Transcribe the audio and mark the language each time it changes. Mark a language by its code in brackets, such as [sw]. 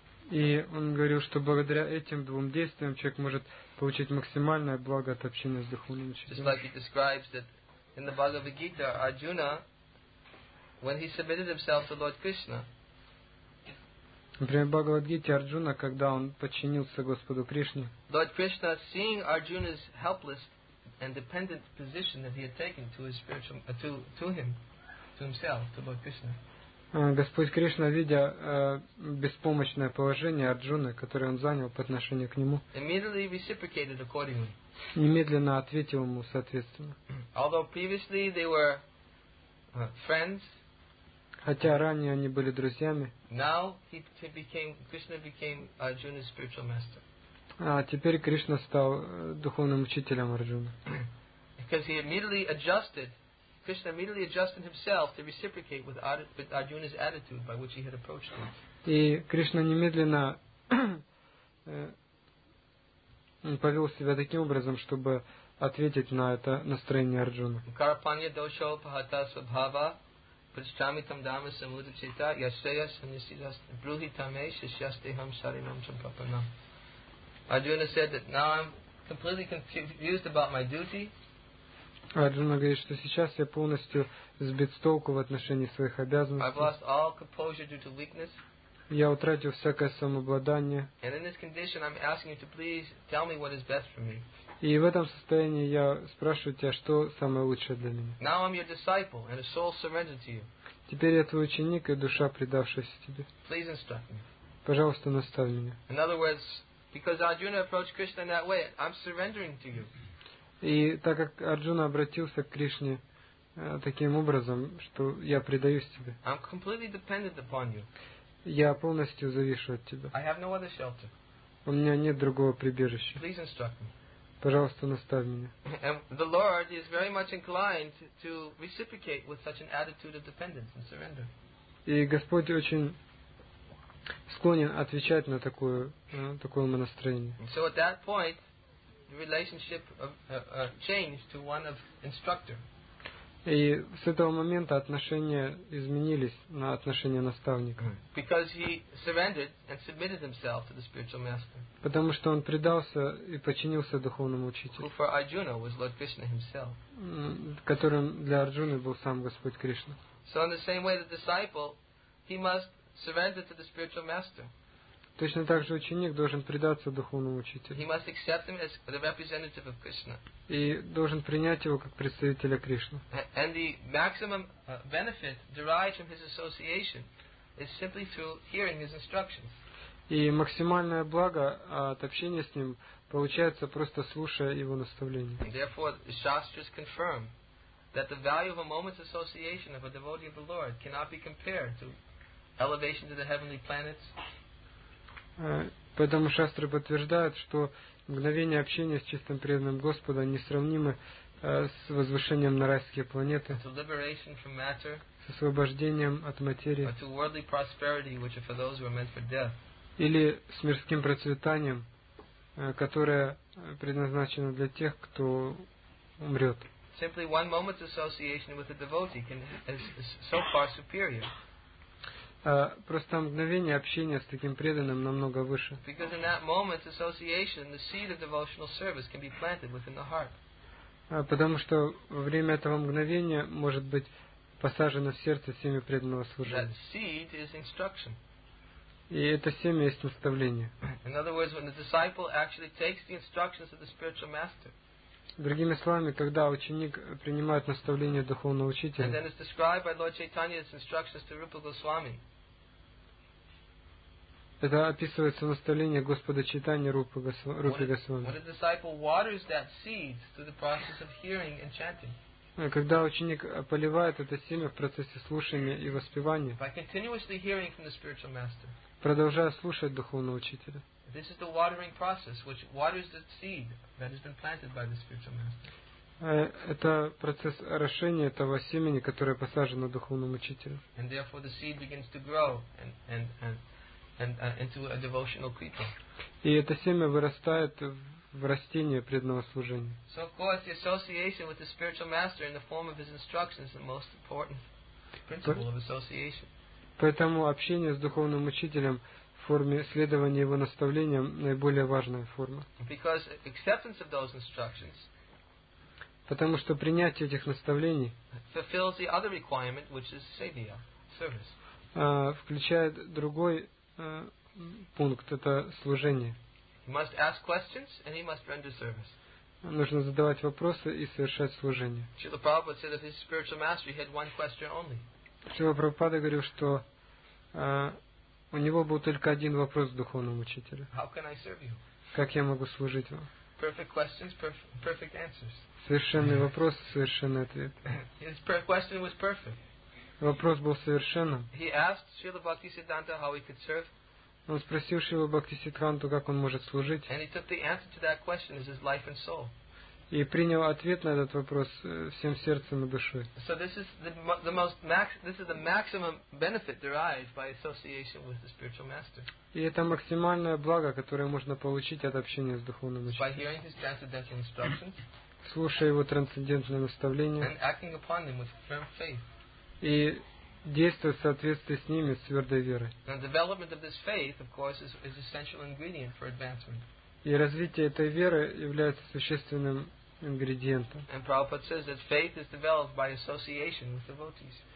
[ru] И он говорил, что благодаря этим двум действиям человек может получить максимальное благо от общения с духовным учителем. [en] Just like he describes that in the Bhagavad Gita, Arjuna, when he submitted himself to Lord Krishna. [ru] Например, в Бхагавад Гите Арджуна, когда он подчинился Господу Кришне. [en] Lord Krishna, seeing Arjuna's helpless and dependent position that he had taken to his spiritual to himself to Lord Krishna. [ru] Господь Кришна, видя беспомощное положение Арджуны, которое он занял по отношению к нему, [en] immediately reciprocated accordingly. [ru] Немедленно ответил ему соответственно. [en] Although previously they were friends, [ru] хотя ранее они были друзьями, [en] now Krishna became Arjuna's spiritual master. [ru] А теперь Кришна стал духовным учителем Арджуны. [en] Because he immediately adjusted, Krishna immediately adjusted himself to reciprocate with Arjuna's attitude by which he had approached him. [ru] И Кришна немедленно повел себя таким образом, чтобы ответить на это настроение Арджуны. [sa] Карапанья дошо пахата свабхава прачтамитам дама самудачита яшея саньясидас брухитаме шишьястехам шаринам чампапанам. [en] Arjuna said that now I'm completely confused about my duty. [ru] Arjuna говорит, что сейчас я полностью сбит с толку в отношении своих обязанностей. [en] I've lost all composure due to weakness. [ru] Я утратил всякое самообладание. [en] And in this condition, I'm asking you to please tell me what is best for me. [ru] И в этом состоянии я спрашиваю тебя, что самое лучшее для меня. [en] Now I'm your disciple and a soul surrendered to you. [ru] Теперь я твой ученик и душа, предавшаяся тебе. [en] Please instruct me. [ru] Пожалуйста, наставь меня. [en] In other words, because Arjuna approached Krishna in that way, I'm surrendering to you. [ru] И так как Арджуна обратился к Кришне таким образом, что я предаюсь тебе. [en] I'm completely dependent upon you. [ru] Я полностью завишу от тебя. [en] I have no other shelter. [ru] У меня нет другого прибежища. [en] Please instruct me. [ru] Пожалуйста, наставь меня. [en] And the Lord is very much inclined to reciprocate with such an attitude of dependence and surrender. [ru] И Господь очень склонен отвечать на такое, такое умонастроение. [en] So at that point, the relationship changed to one of instructor. [ru] И с этого момента отношения изменились на отношения наставника. [en] Because he surrendered and submitted himself to the spiritual master. [ru] Потому что он предался и подчинился духовному учителю. [en] Who for Arjuna was Lord Krishna himself. [ru] Которым для Арджуны был сам Господь Кришна. [en] So in the same way the disciple, he must surrender to the spiritual master. [ru] Точно так же ученик должен предаться духовному учителю. [en] He must accept him as the representative of Krishna. [ru] И должен принять его как представителя Кришны. [en] And the maximum benefit derived from his association is simply through hearing his instructions. [ru] И максимальное благо от общения с ним получается просто слушая его наставления. [en] And therefore, the shastras confirm that the value of a moment's association of a devotee of the Lord cannot be compared to elevation to the heavenly planets. [ru] Поэтому шастры подтверждают, что мгновение общения с чистым преданным Господа несравнимы с возвышением на райские планеты, [en] to liberation from matter, [ru] с освобождением от материи, [en] to worldly prosperity, which are for those who are meant for death, [ru] или с мирским процветанием, которое предназначено для тех, кто умрет. [en] Simply one moment's association with a devotee can, is so far superior. [ru] Просто мгновение общения с таким преданным намного выше. [en] Because in that moment association, the seed of devotional service can be planted within the heart. [ru] Потому что во время этого мгновения может быть посажено в сердце семя преданного служения. [en] That seed is instruction. [ru] И это семя есть наставление. [en] In other words, when the disciple actually takes the instructions of the spiritual master. [ru] Другими словами, когда ученик принимает наставление духовного учителя. [en] And then it's described by Lord Chaitanya's instructions to Rupa Goswami. [ru] Это описывается наставление Господа Чайтаньи Рупы Госвами. [en] When a disciple waters that seed through the process of hearing and chanting. [ru] Когда ученик поливает это семя в процессе слушания и воспевания. [en] By continuously hearing from the spiritual master. [ru] Продолжая слушать духовного учителя. [en] This is the watering process which waters the seed that has been planted by the spiritual master. [ru] Это процесс орошения этого семени, которое посажено духовным учителем. [en] And therefore the seed begins to grow and into a devotional creature. [ru] И это семя вырастает в растение преданного служения. [en] So of course the association with the spiritual master in the form of his instructions is the most important principle of association. [ru] Поэтому общение с духовным учителем в форме следования его наставлениям наиболее важная форма. [en] Because acceptance of those instructions. [ru] Потому что принятие этих наставлений [en] fulfills the other requirement, which is sevya, service. [ru] Включает другой пункт, это служение. [en] He must ask questions and he must render service. [ru] Нужно задавать вопросы и совершать служение. [en] Srila Prabhupada said that his spiritual master had one question only. [ru] Srila Prabhupada говорил, что у него был только один вопрос к духовному учителю. [en] How can I serve you? [ru] Как я могу служить вам? [en] Perfect questions, perfect answers. [ru] Совершенный вопрос, совершенный ответ. [en] His question was perfect. [ru] Вопрос был совершенным. [en] He asked Srila Bhaktisiddhanta how he could serve. [ru] Он спросил Шрилу Бхактисиддханту, как он может служить. [en] And he took the answer to that question as his life and soul. [ru] И принял ответ на этот вопрос всем сердцем и душой. [en] So this is the maximum benefit derived by association with the spiritual master. [ru] И это максимальное благо, которое можно получить от общения с духовным учителем. [en] By hearing his transcendental instructions. [ru] Слушая его трансцендентные наставления. [en] And acting upon them with firm faith. [ru] И действовать в соответствии с ними с твердой верой. [en] The development of this faith, of course, is essential ingredient for advancement. [ru] И развитие этой веры является существенным ингредиентом. [en] And Prabhupada says that faith is developed by association with devotees.